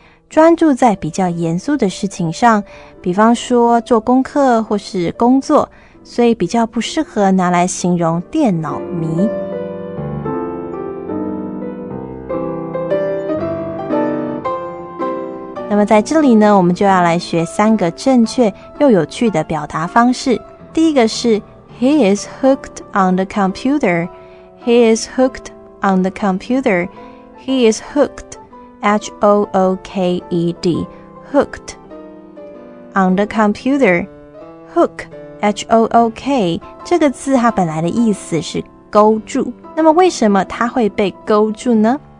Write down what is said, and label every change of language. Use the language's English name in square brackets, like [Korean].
[Chinese] 专注在比较严肃的事情上，比方说做功课或是工作，所以比较不适合拿来形容电脑迷。那么在这里呢，我们就要来学三个正确又有趣的表达方式。 [English] 第一个是 He is hooked on the computer. He is hooked on the computer. [Chinese] He is hookedH-O-O-K-E-D Hooked On the computer Hook H-O-O-K 这个字它本来的意思是勾住，那么为什么它会被勾住呢？